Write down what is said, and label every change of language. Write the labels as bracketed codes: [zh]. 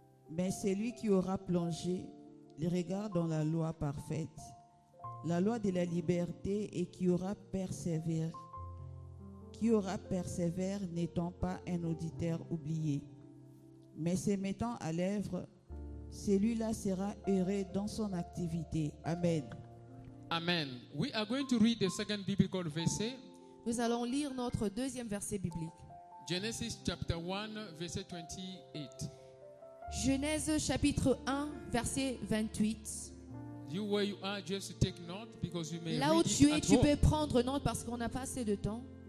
[fr] Mais celui qui aura plongé le regard dans la loi parfaite, la loi de la liberté, et qui aura persévéré, n'étant pas un auditeur oublié, mais se mettant à l'œuvre, celui-là sera heureux dans son activité. Amen. Amen. [en] We are going to read the second biblical verse. [fr] Nous allons lire notre deuxième verset biblique. [en] Genesis chapter 1, verset 28. [fr] Genèse chapitre 1, verset 28. [en] You where you are, just take note because you may [fr] là [en] read [fr] où tu es, tu [en] home. [fr] Peux prendre note parce qu'on n'a pas assez de temps.